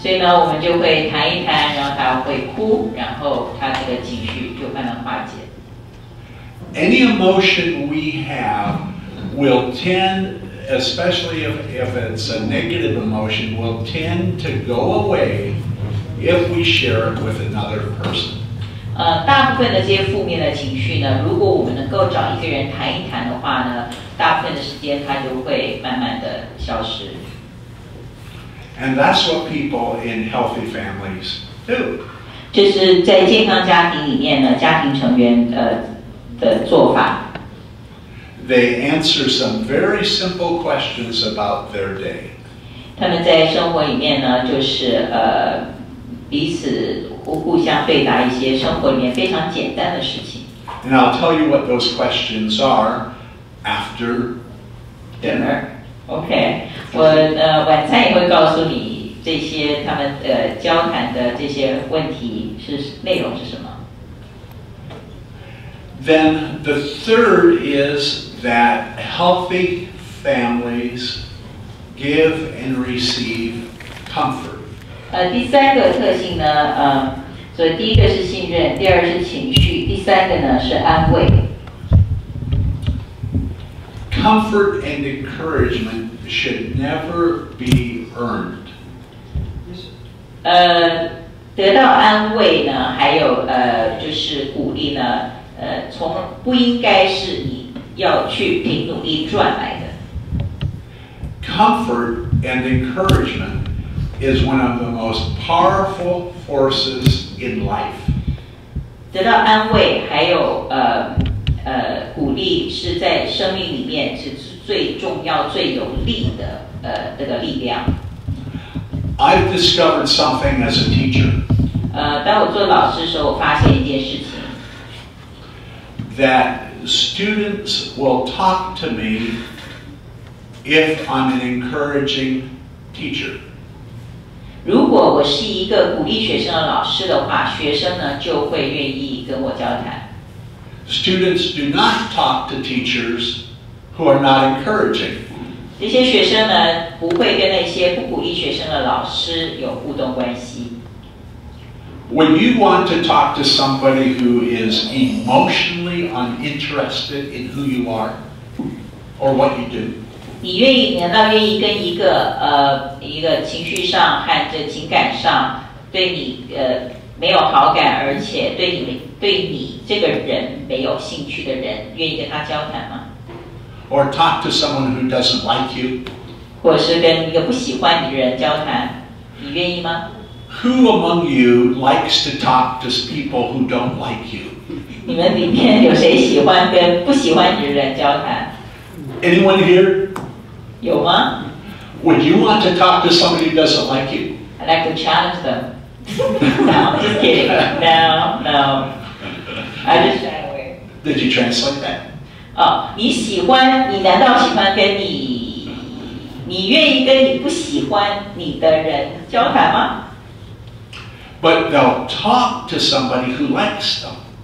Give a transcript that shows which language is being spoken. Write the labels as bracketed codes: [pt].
[zh] 所以呢，我们就会谈一谈，然后他会哭，然后他这个情绪就慢慢化解。 [en] Any emotion we have will tend especially if it's a negative emotion, will tend to go away if we share it with another person. [zh] 大部分的这些负面的情绪呢，如果我们能够找一个人谈一谈的话呢，大部分的时间它就会慢慢的消失。 [en] And that's what people in healthy families do. [zh] 就是在健康家庭里面呢，家庭成员的做法。 [en] They answer some very simple questions about their day. [zh] 他们在生活里面呢，就是彼此互相对答一些生活里面非常简单的事情。 [en] And I'll tell you what those questions are after dinner. [zh] Okay, 我晚餐也会告诉你这些他们交谈的这些问题是内容是什么。 [en] Then the third is that healthy families give and receive comfort. [zh] 第三个特性呢，所以第一个是信任，第二是情绪，第三个呢是安慰。 [en] Comfort and encouragement should never be earned. [zh] 得到安慰呢，还有就是鼓励呢，从不应该是你要去凭努力赚来的。 [en] Comfort and encouragement. Is one of the most powerful forces in life. [zh] 得到安慰还有鼓励是在生命里面是最重要最有力的这个力量。 [en] I've discovered something as a teacher. [zh] 当我做老师的时候，我发现一件事情。 [en] That students will talk to me if I'm an encouraging teacher. [zh] 如果我是一个鼓励学生的老师的话，学生呢就会愿意跟我交谈。 [en] Students do not talk to teachers who are not encouraging. [zh] 这些学生呢不会跟那些不鼓励学生的老师有互动关系。 [en] When you want to talk to somebody who is emotionally uninterested in who you are or what you do. [zh] 你愿意难道愿意跟一个情绪上和这情感上对你没有好感而且对你这个人没有兴趣的人愿意跟他交谈吗 [en] Or talk to someone who doesn't like you [zh] 或是跟一个不喜欢你的人交谈你愿意吗 [en] Who among you likes to talk to people who don't like you [zh] 你们里面有谁喜欢跟不喜欢你的人交谈 [en] Anyone here? [zh] 有吗? [en] Would you want to talk to somebody who doesn't like you? I'd like to challenge them. No, I'm just kidding. No. I just shy away. Did you translate that? [zh] 你喜欢,你难道喜欢跟你,你愿意跟你不喜欢你的人交谈吗? [en] But they'll talk to somebody who likes them.